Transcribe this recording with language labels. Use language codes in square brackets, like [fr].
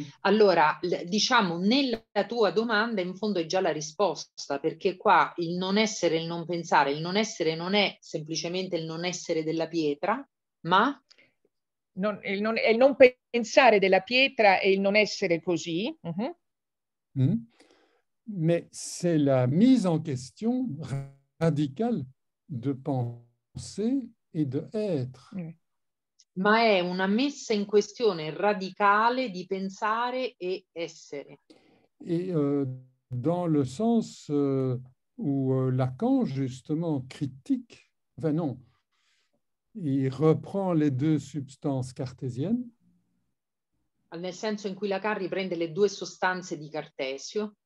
[it] Allora, diciamo, nella tua domanda in fondo è già la risposta, perché qua il non essere, il non pensare, il non essere non è semplicemente il non essere della pietra, ma... Il non pensare della pietra e il non essere così. Uh-huh. Mm. [fr] Mais c'est la mise en question radicale de penser et de être. Mm. [it] Ma è una messa in questione radicale di pensare e essere. [fr] Et dans le sens où Lacan justement critique, enfin non, il reprend les deux substances cartésiennes. [it] Nel senso in cui Lacan riprende le due sostanze di Cartesio.